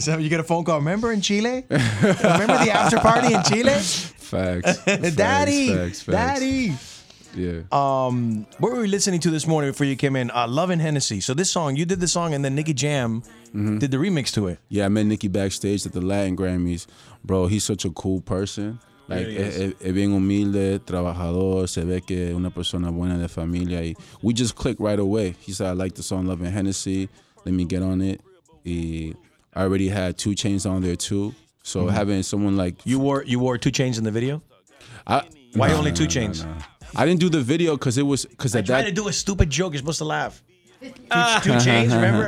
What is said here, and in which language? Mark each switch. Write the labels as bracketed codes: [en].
[en] So you get a phone call. Remember in Chile? Remember the after party in Chile? Facts. Daddy. Facts. Daddy. Yeah. What were we listening to this morning before you came in? Love and Hennessy. So this song, you did the song, and then Nicky Jam did the remix to it. Yeah, I met Nicky backstage at the Latin Grammys. Bro, he's such a cool person. Like, yeah, [es] es bien humilde, trabajador, se ve que una persona buena de familia. [en] Y we just clicked right away. He said, I like the song Love and Hennessy. Let me get on it. Y I already had 2 Chainz on there too. So having someone like... You wore 2 Chainz in the video? Why only 2 Chainz? I didn't do the video because it was... Cause I tried to do a stupid joke. You're supposed to laugh. 2 Chainz, remember?